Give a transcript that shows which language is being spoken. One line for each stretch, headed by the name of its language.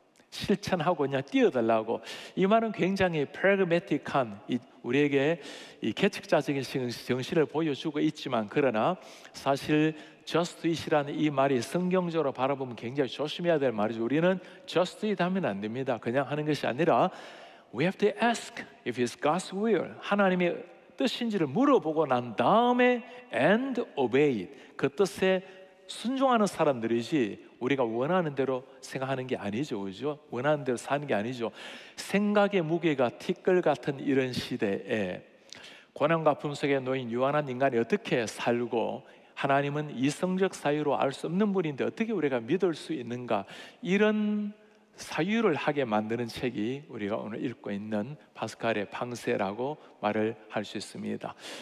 Korean: 실천하고 그냥 뛰어달라고. 이 말은 굉장히 프래그매틱한 우리에게 이 계측자적인 정신을 보여주고 있지만, 그러나 사실 Just do it이라는 이 말이 성경적으로 바라보면 굉장히 조심해야 될 말이죠. 우리는 Just do it 하면 안 됩니다. 그냥 하는 것이 아니라
English: We have to ask if it's God's will.
Korean: 하나님의 뜻인지를 물어보고 난 다음에
English: And obey it.
Korean: 그 뜻에 순종하는 사람들이지 우리가 원하는 대로 생각하는 게 아니죠, 그죠? 원하는 대로 사는 게 아니죠. 생각의 무게가 티끌 같은 이런 시대에 고난과 품 속에 놓인 유한한 인간이 어떻게 살고, 하나님은 이성적 사유로 알 수 없는 분인데 어떻게 우리가 믿을 수 있는가, 이런 사유를 하게 만드는 책이 우리가 오늘 읽고 있는 파스칼의 방세라고 말을 할 수 있습니다.